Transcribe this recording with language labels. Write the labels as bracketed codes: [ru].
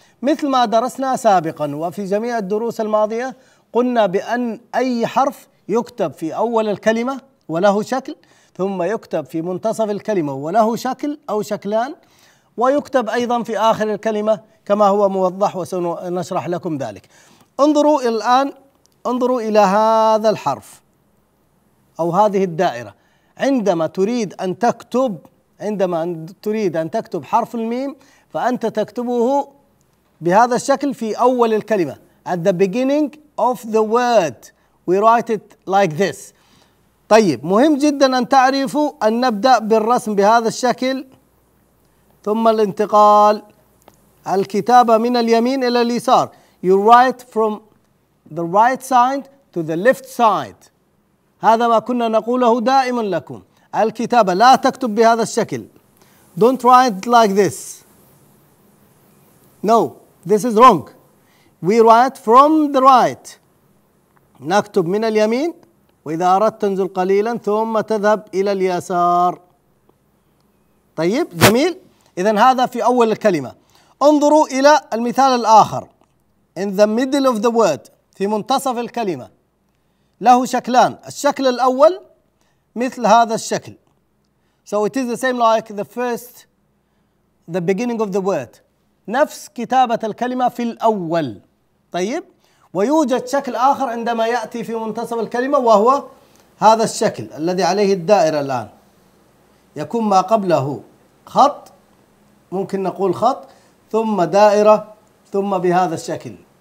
[ar] مثل ما درسنا سابقا وفي جميع الدروس الماضية قلنا بأن أي حرف يكتب في أول الكلمة وله شكل، ثم يكتب في منتصف الكلمة وله شكل أو شكلان، ويكتب أيضا في آخر الكلمة كما هو موضح وسنشرح لكم ذلك. انظروا الآن، انظروا إلى هذا الحرف أو هذه الدائرة. عندما تريد أن تكتب عندما تريد أن تكتب حرف الميم فأنت تكتبه بهذا الشكل في أول الكلمة. [en] At the beginning of the word we write it like this. [ar] طيب مهم جدا أن تعرفوا أن نبدأ بالرسم بهذا الشكل ثم الانتقال الكتابة من اليمين إلى اليسار. [en] You write from the right side to the left side. [ar] هذا ما كنا نقوله دائما لكم. الكتابة لا تكتب بهذا الشكل. [en] Don't write like this. No, this is wrong. We write from the right. [ar] نكتب من اليمين وإذا أردت تنزل قليلا ثم تذهب إلى اليسار. طيب جميل. إذن هذا في أول الكلمة. انظروا إلى المثال الآخر. [en] In the middle of the word, [ar] في منتصف الكلمة له شكلان. الشكل الأول مثل هذا الشكل. [en] So it is the same like the first, the beginning of the word. [ar] نفس كتابة الكلمة في الأول. طيب ويوجد شكل آخر عندما يأتي في منتصف الكلمة وهو هذا الشكل الذي عليه الدائرة الآن. يكون ما قبله خط, ممكن نقول خط, ثم دائرة, ثم بهذا الشكل.